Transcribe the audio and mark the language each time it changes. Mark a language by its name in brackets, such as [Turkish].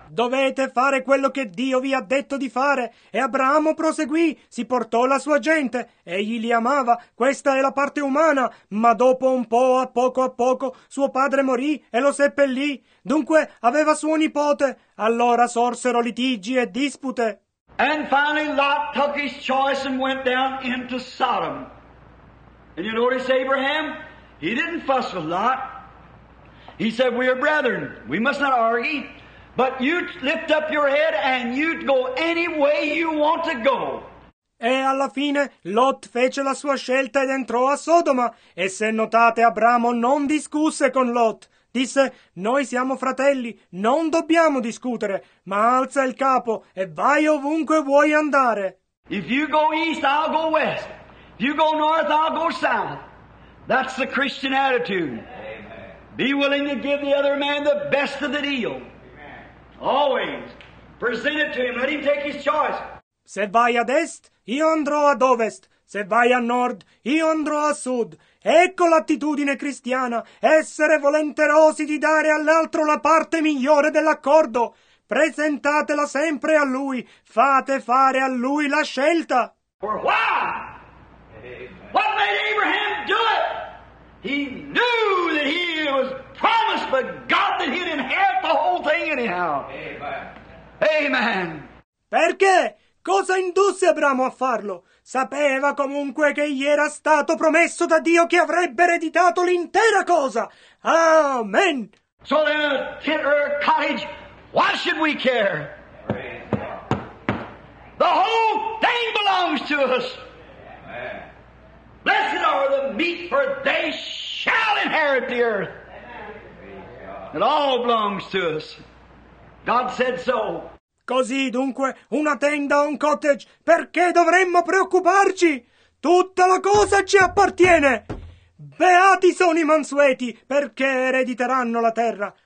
[Italian] Dovete fare quello che Dio vi ha detto di fare. E Abramo proseguì, si portò la sua gente. Egli li amava, questa è la parte umana. Ma dopo un po', a poco, suo padre morì e lo seppellì. Dunque aveva suo nipote. Allora sorsero litigi e dispute. [English] And finally Lot took his choice and went down into Sodom. And you notice Abraham, he didn't fuss with Lot. He said, we are brethren, we must not argue, but you lift up your head and you go any way you want to go. [Italian] E alla fine Lot fece la sua scelta ed entrò a Sodoma. E se notate, Abramo non discusse con Lot. Disse, noi siamo fratelli, non dobbiamo discutere, ma alza il capo e vai ovunque vuoi andare. [English] If you go east, I'll go west. If you go north, I'll go south. That's the Christian attitude. Be willing to give the other man the best of the deal. Always. Present it to him. Let him take his choice. [Italian] Se vai ad est, io andrò ad ovest. Se vai a nord, io andrò a sud. Ecco l'attitudine cristiana. Essere volenterosi di dare all'altro la parte migliore dell'accordo. Presentatela sempre a lui. Fate fare a lui la scelta. [English] For why? What made Abraham do it? He knew that he was promised by God that he'd inherit the whole thing anyhow. Amen. Amen. [Italian] Perché? Cosa indusse Abramo a farlo? Sapeva comunque che gli era stato promesso da Dio che avrebbe ereditato l'intera cosa. Amen. [English] So in a tent or a cottage, why should we care? The whole thing belongs to us. Blessed are the meek, for they shall inherit the earth. It all belongs to us. God said so. [Italian] Così dunque, una tenda o un cottage, perché dovremmo preoccuparci? Tutta la cosa ci appartiene. Beati sono i mansueti, perché erediteranno la terra.